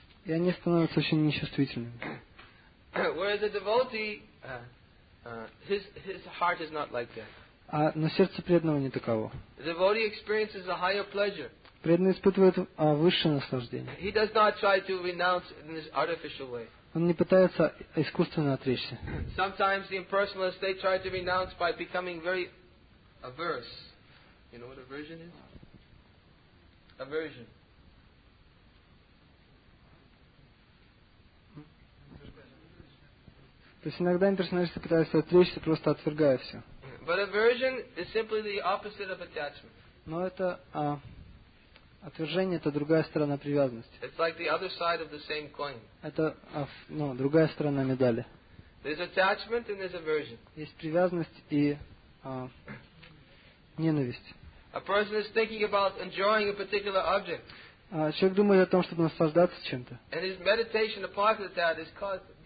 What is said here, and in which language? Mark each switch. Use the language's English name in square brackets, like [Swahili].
[Russian] И они становятся очень нечувствительными. [English] Whereas a devotee, his heart is not like that. [Russian] А на сердце преданного не таково. [English] The devotee experiences a higher pleasure. [Russian] Преданный испытывает высшее наслаждение. [English] He does not try to renounce in this artificial way. [Russian] Он не пытается искусственно отречься. [English] Sometimes the impersonalists, they try to renounce by becoming very averse. You know what aversion is? Aversion. [Russian] То есть иногда имперсоналисты пытаются отречься, просто отвергая все. [English] But aversion is simply the opposite of attachment. [Russian] Но это отвержение — это другая сторона привязанности. [English] It's like the other side of the same coin. [Russian] Это другая сторона медали. [English] There's attachment and there's aversion. [Russian] Есть привязанность и ненависть. [English] A person is thinking about enjoying a particular object. [Russian] Человек думает о том, чтобы наслаждаться чем-то. [English] And his meditation apart from that is caused.